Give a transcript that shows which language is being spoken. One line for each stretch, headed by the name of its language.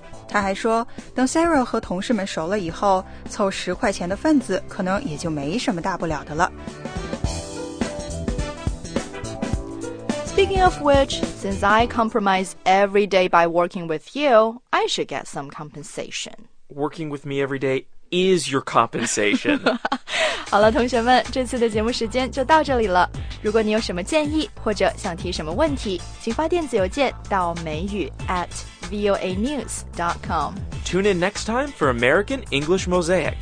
Chinese: 他还说，等 Sarah 和同事们熟了以后，凑十块钱的份子可能也就没什么大不了的了。
English: Speaking of which, since I compromise every day by working with you, I should get some compensation. Working with me every day is your compensation.
Chinese: 好了，同学们，这次的节目时间就到这里了。如果你有什么建议或者想提什么问题，请发电子邮件到美语 @voanews.com.
English: Tune in next time for American English Mosaic.